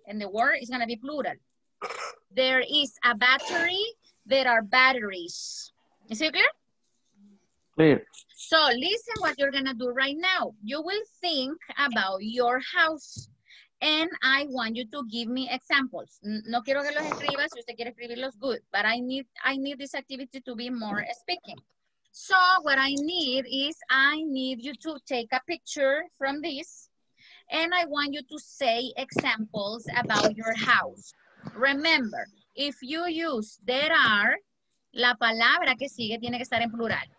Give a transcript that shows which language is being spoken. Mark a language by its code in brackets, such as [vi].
[en] And the word is going to be plural. There is a battery, there are batteries. Is it clear? Clear. So listen what you're gonna do right now. You will think about your house and I want you to give me examples. [es] No quiero que los escribas, si usted quiere escribirlos, [en] good. But I need this activity to be more speaking. So what I need is I need you to take a picture from this and I want you to say examples about your house. Remember, if you use there are, [es] la palabra que sigue tiene que estar en plural.